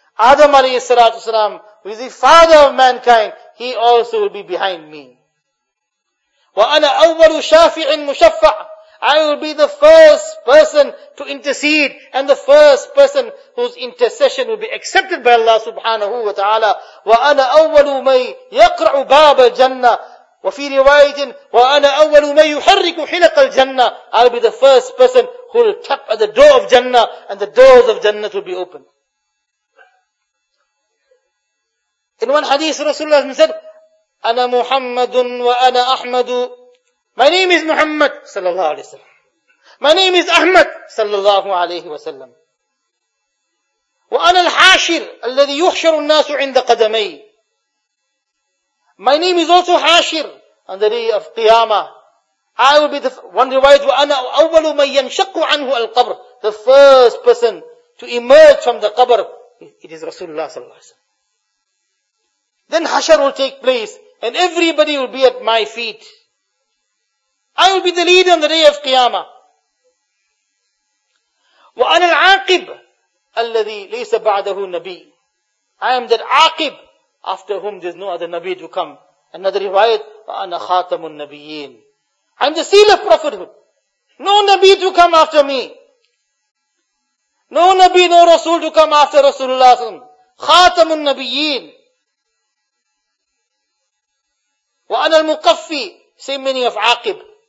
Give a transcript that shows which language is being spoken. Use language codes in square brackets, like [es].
[en] Adam alayhi salatu salam, who is the father of mankind, he also will be behind me. [ar] وَأَنَا أَوَّلُ شَافِعٍ مُشَفَّعٍ. [en] I will be the first person to intercede and the first person whose intercession will be accepted by Allah subhanahu wa ta'ala. [ar] وَأَنَا أَوَّلُ مَنْ يَقْرَعُ بَابَ الْجَنَّةِ وَفِي رِوَايَةٍ وَأَنَا أَوَّلُ مَنْ يُحَرِّكُ حِلَقَ الْجَنَّةِ. [en] I will be the first person who will tap at the door of Jannah, and the doors of Jannah will be open. In one hadith, Rasulullah said, [ar] "Ana Muhammadun wa ana Ahmadu." [en] My name is Muhammad sallallahu alaihi wasallam. My name is Ahmad sallallahu alaihi wasallam. [ar] Wa ana al-Hashir alladhi yuhsharu an-nasu 'inda qadamayya. [en] My name is also Hashir on the day of Qiyamah. I will be the one riwayat [ar] wa ana awwalu man yanshaqu 'anhu al-qabr. [en] The first person to emerge from the qabr, it is Rasulullah sallallahu alaihi wasallam. Then Hashar will take place and everybody will be at my feet. I will be the leader on the day of Qiyamah. [ar] وَأَنَا الْعَاقِبُ الَّذِي لَيْسَ بَعْدَهُ نَبِيٌّ. [en] I am that عَاقِب after whom there is no other Nabi to come. Another riwayat, [ar] وَأَنَا خَاتَمُ النَّبِيِّينَ. [en] I am the seal of prophethood. No Nabi to come after me. No Nabi, no Rasul to come after Rasulullah صلى الله عليه وسلم. [ar] خَاتَمُ النَّبِيِّينَ. وَأَنَا الْمُقَفِّي. [en] Say meaning of عَاقِب.